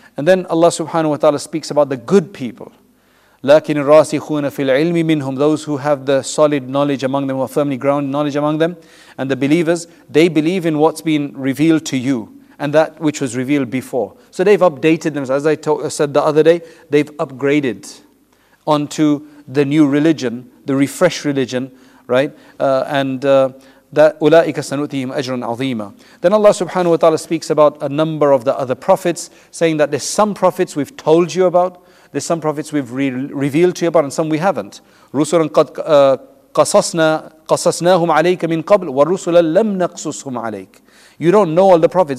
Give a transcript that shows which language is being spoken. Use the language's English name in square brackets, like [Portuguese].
[English] And then Allah subhanahu wa ta'ala speaks about the good people. لَكِنِ الرَّاسِخُونَ فِي الْعِلْمِ مِنْهُمْ, those who have the solid knowledge among them, who are firmly grounded knowledge among them, and the believers, they believe in what's been revealed to you, and that which was revealed before. So they've updated them. As I said the other day, they've upgraded onto the new religion, the refreshed religion, right? [Arabic] That أُولَٰئِكَ سَنُؤْتِيهِمْ أَجْرًا عَظِيمًا. [English] Then Allah subhanahu wa ta'ala speaks about a number of the other prophets, saying that there's some prophets we've told you about, there's some prophets we've revealed to you about, and some we haven't. [Arabic] رُسُلًا قَدْ قَصَصْنَاهُمْ عَلَيْكَ مِنْ قَبْلِ وَرُسُلًا لَمْ نَقْصُصْهُمْ عَلَيْكَ. [English] You don't know all the prophets.